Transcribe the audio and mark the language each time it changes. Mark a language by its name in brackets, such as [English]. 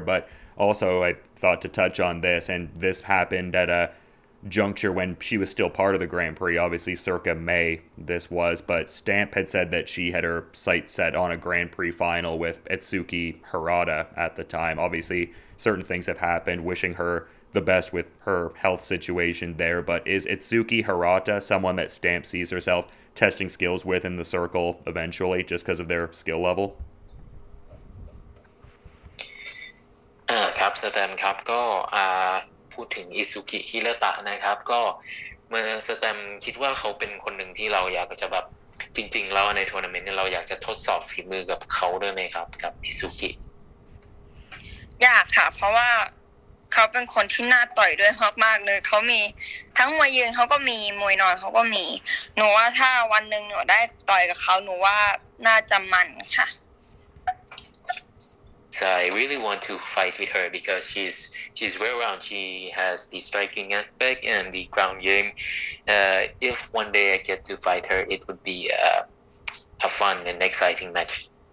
[English] But also, I thought to touch on this, and this happened at a juncture when she was still part of the Grand Prix, obviously circa May this was, but Stamp had said that she had her sights set on a Grand Prix final with Itsuki Harada at the time. Obviously, certain things have happened, wishing her the best with her health situation there, but is Itsuki Harada someone that Stamp sees herself testing skills with in the circle eventually, just because of their skill level? [Thai] ครับแสดงครับก็พูดถึงอิซุกิฮิเรตะนะครับก็เมื่อแสดงคิดว่าเขาเป็นคนหนึ่งที่เราอยากจะแบบจริงๆเราในทัวร์นาเมนต์เราอยากจะทดสอบฝีมือกับเขาด้วยไหมครับกับอิซุกิ อยากค่ะเพราะว่าเขาเป็นคนที่น่าต่อยด้วยมากๆเลยเขามีทั้งมวยยืนเขาก็มีมวยนอนเขาก็มีหนูว่าถ้าวันหนึ่งหนูได้ต่อยกับเขาหนูว่าน่าจะมันค่ะ [English] So I really want to fight with her because she's well-rounded. She has the striking aspect and the ground game. If one day I get to fight her, it would be a fun and exciting match.